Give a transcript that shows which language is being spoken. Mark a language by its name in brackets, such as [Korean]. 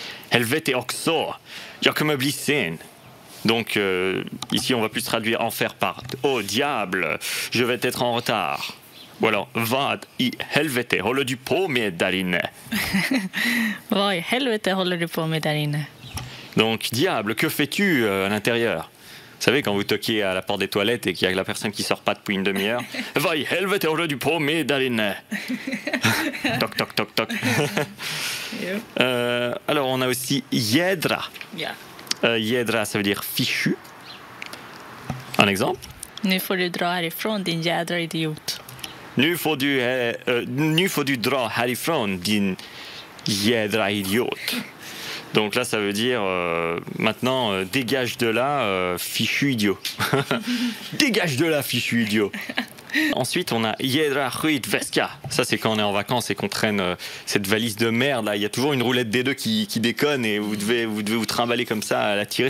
[Swedish] Helvete också, jag kommer bli sen. [French] Donc ici on va plus traduire enfer par oh diable, je vais être en retard. Ou alors [Swedish] vad i helvete håller du på med där inne. Vad i helvete håller du på med där inne. [French] Donc diable, que fais-tu à l'intérieur? Vous savez quand vous toquez à la porte des toilettes et qu'il y a la personne qui sort pas depuis une demi-heure. [Swedish] Vad i helvete håller du på med där inne. [French] Toc. Alors, on a aussi jädra. Jädra, ça veut dire fichu. Un exemple. [Swedish] Nu får du dra härifrån, din jädra idiot. Nu får du dra härifrån, din jädra idiot. [French] Donc là, ça veut dire maintenant, dégage de là, fichu idiot. Dégage de là, fichu idiot. Ensuite, on a Jedra Ruit Veska. Ça, c'est quand on est en vacances et qu'on traîne cette valise de merde. Là, il y a toujours une roulette des deux qui déconne et vous devez vous trimballer comme ça à la tirer.